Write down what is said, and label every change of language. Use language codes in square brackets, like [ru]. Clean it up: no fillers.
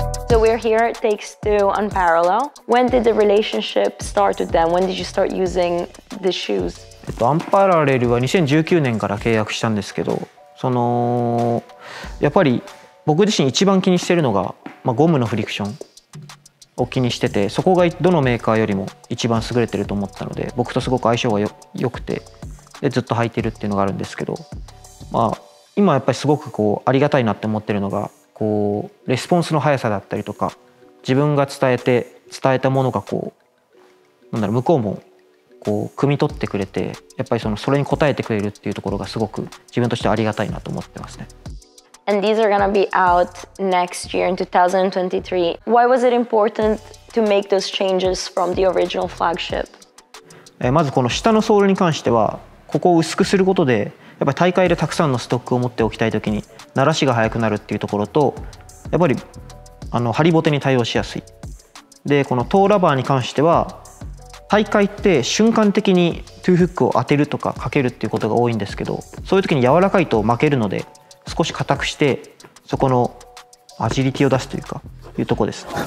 [en] So we're here at Takes Two on Parallel. When did the relationship start with them? When did you start using the shoes? [ja] アンパラレルは2019年から契約したんですけど、そのやっぱり僕自身一番気にしてるのが、まあ、ゴムのフリクションを気にしてて、そこがどのメーカーよりも一番優れてると思ったので、僕とすごく相性が良くて、でずっと履いてるっていうのがあるんですけど、まあ、今やっぱりすごくこうありがたいなって思ってるのが、こうレスポンスの速さだったりとか、自分が伝えたものがこう、なんだろう、向こうもこう汲み取ってくれて、やっぱり それに応えてくれるっていうところがすごく自分としてありがたいなと思ってますね。 [en] And these are gonna be out next year in 2023. Why was it important to make those changes from the original flagship? [ja] まずこの下のソールに関しては、ここを薄くすることで、やっぱり大会でたくさんのストックを持っておきたいときに、慣らしが早くなるっていうところと、やっぱりハリボテに対応しやすい。で、このトーラバーに関しては、大会って瞬間的にトゥーフックを当てるとかかけるっていうことが多いんですけど、そういうときに柔らかいと負けるので、少し硬くしてそこのアジリティを出すというかいうとこです。